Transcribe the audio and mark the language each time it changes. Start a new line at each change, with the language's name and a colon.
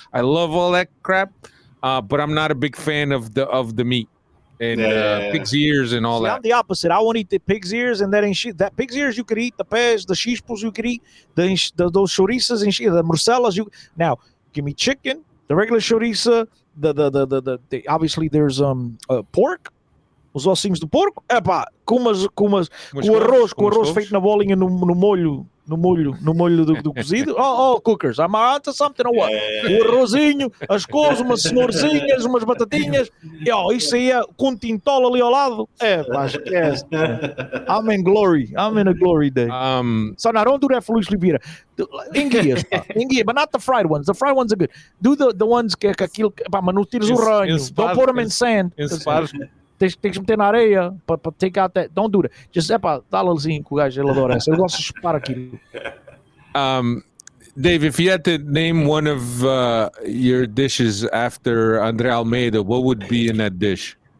English: I love all that crap, but I'm not a big fan of the meat and pig's ears and all I'm the opposite. I won't eat the pig's ears and that enchido. That pig's ears you could eat, the pez, the chispos you could eat, those chorizos and the morcellas. Now, give me chicken, the regular chorizo, the obviously there's pork.
Portuguese: Os ossinhos do porco, epá, com arroz, com arroz feito na bolinha no molho do cozido.
English: Oh, cookers, I'm onto something or what?
Portuguese: O arrozinho, as coisas, umas cenourzinhas, umas batatinhas. Isso aí é com tintola ali ao lado. Epá, esquece.
English: I'm in glory. I'm in a glory day. So now, don't do that for Luis Oliveira. Enguias, but not the fried ones. The fried ones are good. Do the ones
Portuguese: que aquilo, mas não tires o ranho.
English: Don't put them in sand.
Portuguese: Tem que meter na areia para
English: take out that. Don't do that.
Portuguese: Just epa, dá lalzinho com o gajo, ele adora essa. Eu gosto de chupar aquilo.
English: Dave, if you had to name one of your dishes after André Almeida, what would be in that dish?